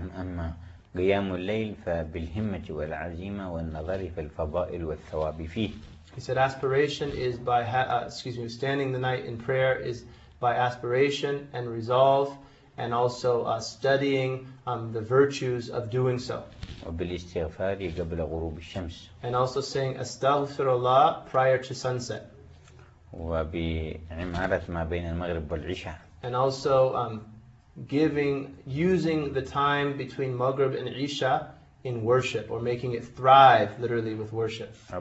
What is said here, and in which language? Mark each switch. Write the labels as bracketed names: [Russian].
[Arabic] أما قيام الليل فبالهمة والعزيمة والنظر في الفضائل والثواب فيه. [English] He said aspiration is by standing the night in prayer is by aspiration and resolve and also studying the virtues of doing so. [Arabic] وبالاستغفار قبل غروب الشمس. [English] And also saying أستغفر الله prior to sunset. [Arabic] وبعمارة ما بين المغرب والعشاء. [English] And also using the time between Maghrib and Isha in worship or making it thrive literally with worship.